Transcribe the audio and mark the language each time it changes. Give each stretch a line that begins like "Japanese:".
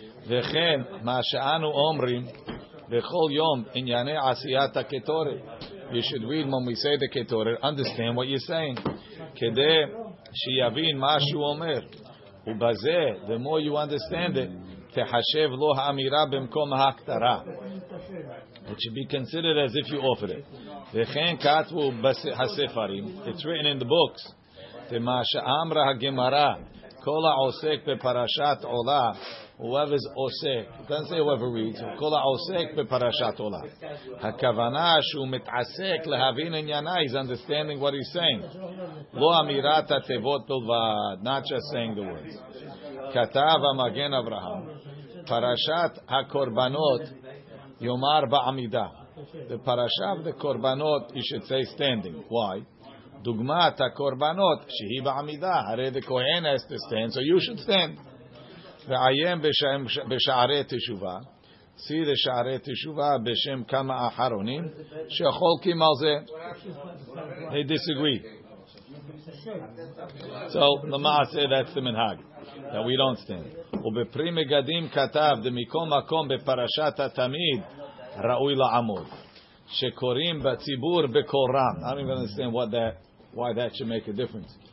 Hebrew: V'chen ma she'anu omrim bechol yom inyane asiyat ha-ketore,
English: you should read when we say the ketore, understand what you're saying.
Hebrew: Kede שיבין מה שהוא אומר, ובזה,
English: the more you understand it,
Hebrew: תחשב לו האמירה במקום ההקטרה.
English: It should be considered as if you offer it.
Hebrew: וכן כתבו בספרים,
English: it's written in the books,
Hebrew: ומה שאמרה הגמרא, כל העוסק בפרשת עולה,
English: whoever's עוסק, it doesn't say whoever reads,
Hebrew: כל העוסק בפרשת עולה. הכוונה שהוא מתעסק להבין עניינה,
English: he's understanding what he's saying.
Hebrew: לא אמירת התיבות בלבד,
English: not just saying the words.
Hebrew: כתב המגן אברהם, פרשת הקורבנות יאמר בעמידה.
English: The parasha of the korbanot, you should say standing. Why?
Hebrew: דוגמת הקורבנות, שהיא בעמידה. הרי
English: the kohen has to stand, so you should stand.
Hebrew: ועיין בשערי תשובה,
English: see the
Hebrew: שערי תשובה בשם כמה אחרונים, שחולקים על זה.
English: They disagree. So, למעשה, that's the minhag, that we don't stand.
Hebrew: ובפרי מגדים כתב, דמקום מקום בפרשת התמיד, ראוי לעמוד, שקוראים בציבור בקורם.
English: I don't even understand what that, why that should make a difference.